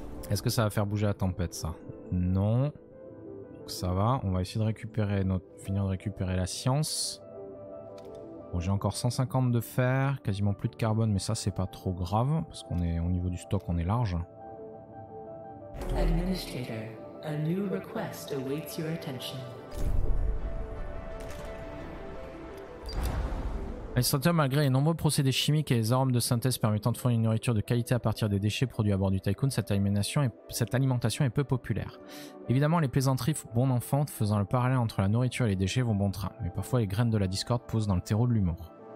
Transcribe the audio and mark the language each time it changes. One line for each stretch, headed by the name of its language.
French: Est-ce que ça va faire bouger la tempête ça? Non. Ça va, on va essayer de récupérer notre... finir de récupérer la science. Bon, j'ai encore 150 de fer, quasiment plus de carbone, mais ça c'est pas trop grave, parce qu'on est au niveau du stock, on est large.
English: Administrator, a new request awaits your attention.
French: Administrateur, malgré les nombreux procédés chimiques et les arômes de synthèse permettant de fournir une nourriture de qualité à partir des déchets produits à bord du Tycoon, cette alimentation est peu populaire. Évidemment, les plaisanteries bon enfant faisant le parallèle entre la nourriture et les déchets vont bon train, mais parfois les graines de la discorde posent dans le terreau de l'humour.